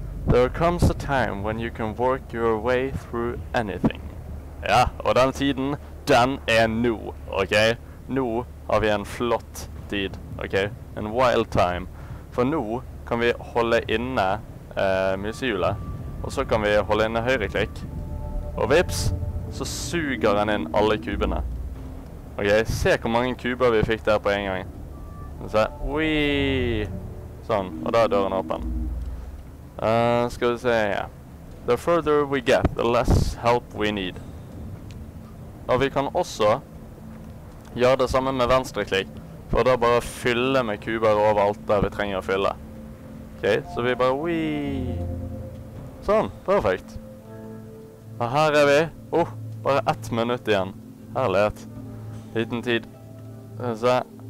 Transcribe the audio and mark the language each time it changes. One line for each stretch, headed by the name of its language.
English: There comes a time when you can work your way through anything.
Swedish: Ja, och den tiden, den är nu, okej? Nu har vi en flott tid, okej? En wild time. För nu kan vi hålla inne musehjulet. Och så kan vi hålla inne högerklick. Och vips, så suger den in alla kuberna. Okej, se hur många kuber vi fick där på en gång. Så här, wiii! Sån, och där är dörren öppen. Ska vi se, ja.
English: The further we get, the less help we need.
Swedish: Och vi kan också göra det samma med vänsterklick. För då bara fylla med kuber överallt där vi trenger att fylla. Okej, okay, så vi bara wiii! Sån, perfekt! Och här är vi. Oh, bara ett minut igen. Härligt. Liten tid. Så.